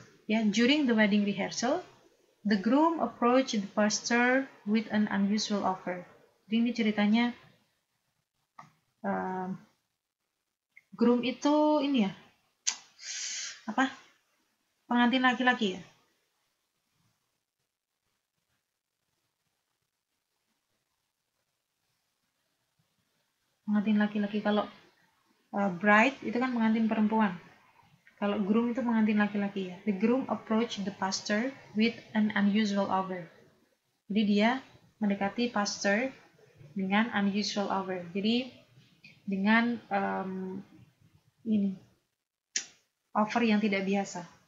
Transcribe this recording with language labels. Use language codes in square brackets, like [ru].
[en] Ya, during the wedding rehearsal, the groom approached the pastor with an unusual offer. [id] Jadi ini ceritanya, groom itu ini ya, apa? Pengantin laki-laki ya. Pengantin laki-laki, kalau bride itu kan pengantin perempuan. Kalau groom itu pengantin laki-laki ya. [en] The groom approached the pastor with an unusual offer. [id] Jadi dia mendekati pastor dengan [en] unusual offer. [id] Jadi dengan ini offer yang tidak biasa.